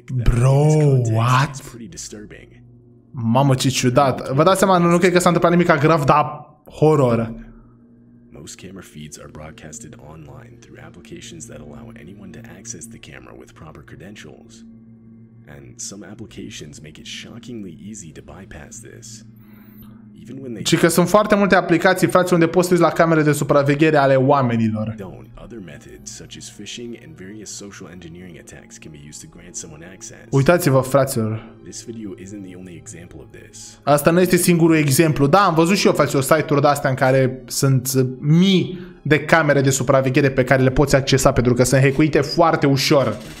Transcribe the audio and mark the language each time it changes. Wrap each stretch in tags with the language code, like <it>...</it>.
<en>Bro, what?</en> <ro>Mamă, ce ciudat. Vă dați seama, nu cred că s-a întâmplat nimic grav, dar horror.</ro> <en>Most camera feeds are broadcasted online through applications that allow anyone to access the camera with proper credentials. And some applications make it shockingly easy to bypass this. Even when they</en> <ro>Ci că sunt foarte multe aplicații, frate, unde poți să uiți la camere de supraveghere ale oamenilor.</ro> <en>Other methods such as phishing and various social engineering attacks can be used to grant someone access.</en> <ro>Uitați-vă, fraților.</ro> <en>This video isn't the only example of this.</en> <ro>Asta nu este singurul exemplu. Da, am văzut și eu, fraților, site-uri de astea în care sunt mii de camere de supraveghere pe care le poți accesa pentru că sunt hackuite foarte ușor.</ro>